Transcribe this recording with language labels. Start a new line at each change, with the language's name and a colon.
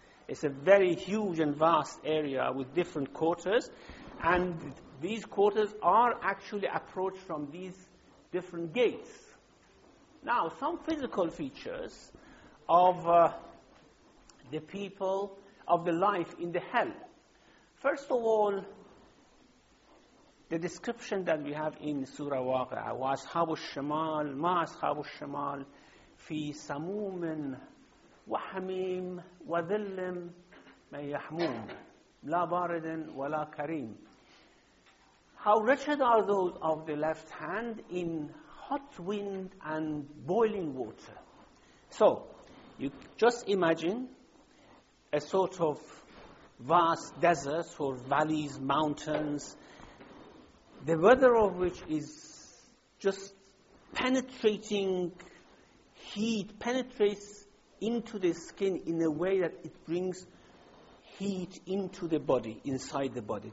English: It's a very huge and vast area with different quarters. And these quarters are actually approached from these different gates. Now, some physical features of the people, of the life in the hell. First of all, the description that we have in Surah Waqi'a,
Arabic: وَأَصْحَابُ الشَّمَالِ مَا أَصْحَابُ الشَّمَالِ فِي سَمُومٍ وَحَمِيمٍ وَذِلٍ مَنْ يَحْمُومٍ لَا بَارِدٍ وَلَا كَرِيمٍ.
English: How wretched are those of the left hand in hot wind and boiling water. So, you just imagine a sort of vast desert or valleys, mountains, the weather of which is just penetrating heat, penetrates into the skin in a way that it brings heat into the body, inside the body.